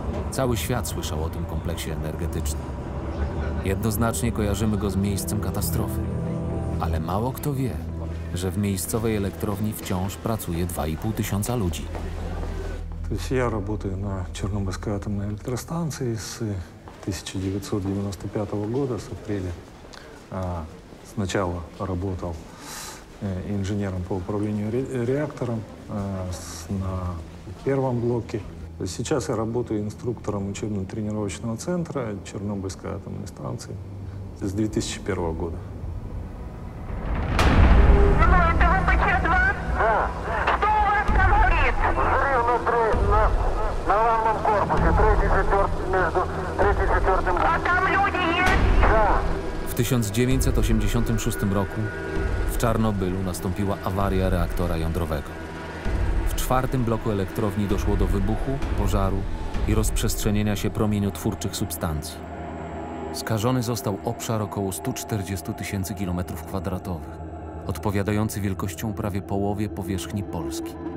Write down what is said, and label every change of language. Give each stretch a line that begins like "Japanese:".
Polish: Cały świat słyszał o tym kompleksie energetycznym. Jednoznacznie kojarzymy go z miejscem katastrofy. Ale mało kto wie, że w miejscowej elektrowni wciąż pracuje 2,5 tysiąca ludzi. To jest ja pracuję na Czarnobylskiej atomowej elektrostacji z 1995 roku, z apryla.
Russian: Сначала работал инженером по управлению реактором на первом блоке. Сейчас я работаю инструктором учебно-тренировочного центра Чернобыльской атомной станции с 2001 года. Ну, это вы ПЧ-2? Да. Что у вас там горит? Взрыв внутри, на главном корпусе, между 34-м... А там люди есть? Да.
Polish: W 1986 roku w Czarnobylu nastąpiła awaria reaktora jądrowego. W czwartym bloku elektrowni doszło do wybuchu, pożaru i rozprzestrzenienia się promieniotwórczych substancji. Skażony został obszar około 140 tysięcy km kwadratowych, odpowiadający wielkością prawie połowie powierzchni Polski.